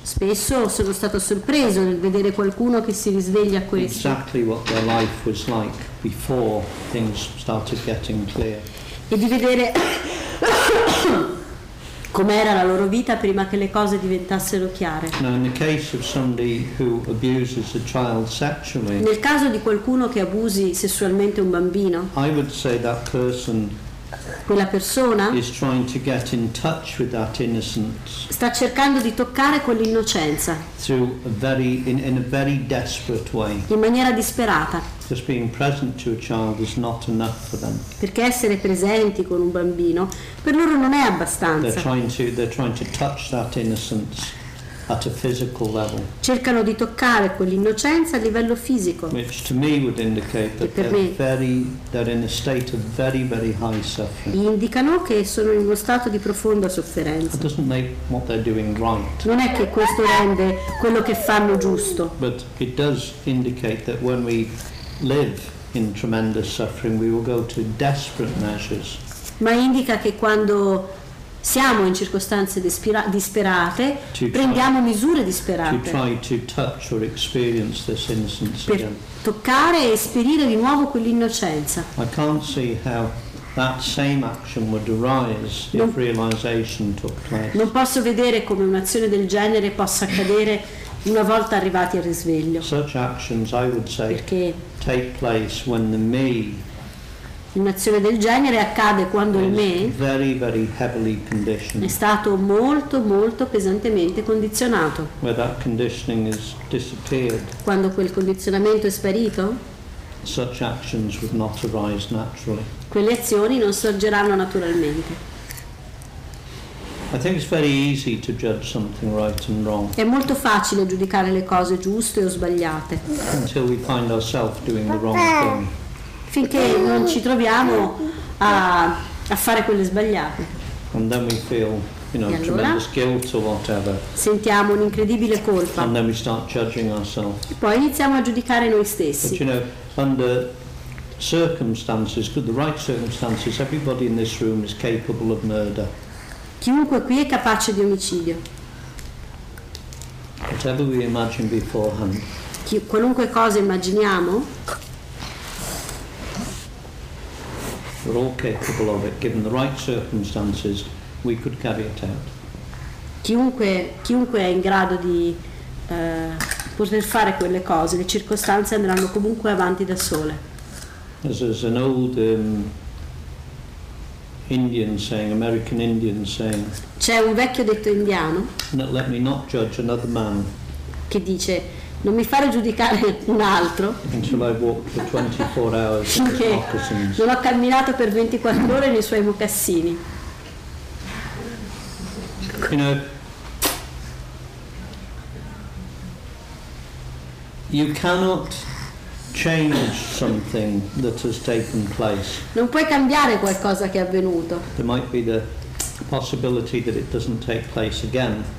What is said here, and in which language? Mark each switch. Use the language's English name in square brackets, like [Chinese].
[Italian] Spesso sono stato sorpreso nel vedere qualcuno che si risveglia a questo. [English] Exactly what their life was like before things started getting clear. [Italian] E di vedere com'era la loro vita prima che le cose diventassero chiare. [English] Now in the case of somebody who abuses a child sexually, [Italian] nel caso di qualcuno che abusi sessualmente un bambino, [English] I would say that person [Italian] quella persona [English] is trying to get in touch with that innocence, [Italian] sta cercando di toccare quell'innocenza [English] in a very desperate way. [Italian] In maniera disperata. [English] Just being present to a child is not enough for them. [Italian] Perché essere presenti con un bambino per loro non è abbastanza. [English] They're trying to touch that innocence at a physical level. [Italian] Cercano di toccare quell'innocenza a livello fisico. [English] Which to me would indicate that they're in a state of very, very high suffering. [Italian] Indicano che sono in uno stato di profonda sofferenza. [English] That doesn't make what they're doing right. [Italian] Non è che questo rende quello che fanno giusto. [English] But it does indicate that when we live in tremendous suffering, we will go to desperate measures. [Italian] Ma indica che quando siamo in circostanze disperate, prendiamo misure disperate. [English] To try to touch or experience this innocence [Italian] per [English] again. [Italian] Toccare e esperire di nuovo quell'innocenza. [English] I can't see how that same action would arise non, if realization took place. [Italian] Non posso vedere come un'azione del genere possa accadere una volta arrivati al risveglio. [English] Such actions, I would say, [Italian] perché [English] take place when the me. [Italian] Un'azione del genere accade quando il me [English] very, very heavily conditioned. [Italian] È stato molto, molto pesantemente condizionato. [English] Where that conditioning is disappeared. [Italian] Quando quel condizionamento è sparito, [English] such actions would not arise naturally. [Italian] Quelle azioni non sorgeranno naturalmente. [English] I think it's very easy to judge something right and wrong. [Italian] È molto facile giudicare le cose giuste o sbagliate. [English] Until we find ourselves doing the wrong thing. [Italian] Finché non ci troviamo a fare quelle sbagliate. [English] And then we feel, you know, [Italian] e allora [English] tremendous guilt or whatever. [Italian] Sentiamo un'incredibile colpa. [English] And then we start judging ourselves. [Italian] E poi iniziamo a giudicare noi stessi. [English] But you know, under circumstances, the right circumstances, everybody in this room is capable of murder. [Italian] Chiunque qui è capace di omicidio. [English] Whatever we imagine beforehand. [Italian] Qualunque cosa immaginiamo. [English] We're all capable of it, given the right circumstances, we could carry it out. [Italian] Chiunque è in grado di poter fare quelle cose, le circostanze andranno comunque avanti da sole. [English] There's an old Indian saying, American Indian saying. [Italian] C'è un vecchio detto indiano. [English] Let me not judge another man. [Italian] Che dice, non mi fare giudicare un altro. [English] Until I walked for 24 hours in his moccasins. [Italian] Non ho camminato per 24 ore nei suoi mocassini. [English] You know, you cannot change something that has taken place. [Italian] Non puoi cambiare qualcosa che è avvenuto. [English] There might be the possibility that it doesn't take place again.